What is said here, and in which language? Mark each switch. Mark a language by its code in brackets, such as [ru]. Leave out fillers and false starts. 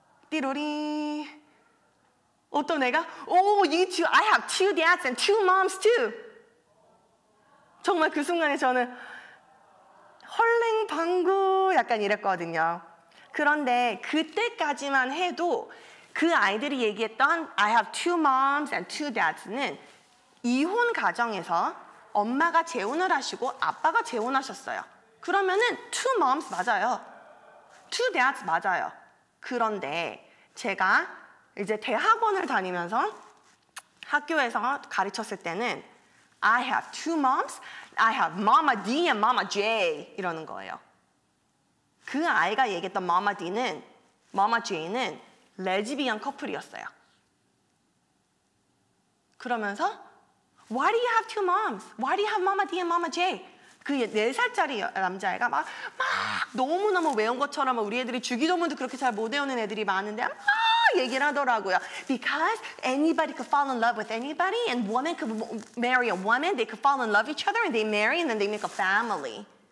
[ko] 띠로리 어떤 애가 [en] Oh, you two, I have two dads and two moms too. [ko] 정말 그 순간에 저는 헐랭방구 약간 이랬거든요. 그런데 그때까지만 해도 그 아이들이 얘기했던 [en] I have two moms and two dads [ko] 는 이혼 가정에서 엄마가 재혼을 하시고 아빠가 재혼하셨어요. 그러면은 [en] two moms [ko] 맞아요. [en] two dads [ko] 맞아요. 그런데 제가 이제 대학원을 다니면서 학교에서 가르쳤을 때는 [en] I have two moms, I have mama D and mama J [ko] 이러는 거예요. 그 아이가 얘기했던 mama D는 mama J는 레즈비언 커플이었어요. 그러면서 [en] Why do you have two moms? Why do you have Mama D and Mama J? [ko] 그 4살짜리 남자애가 막 너무너무 외운 것처럼 우리 애들이 주기도문도 그렇게 잘 못 외우는 애들이 많은데 막 얘기를 하더라고요. [en] Because anybody could fall in love with anybody and woman could marry a woman. They could fall in love each other and they marry and then they make a family.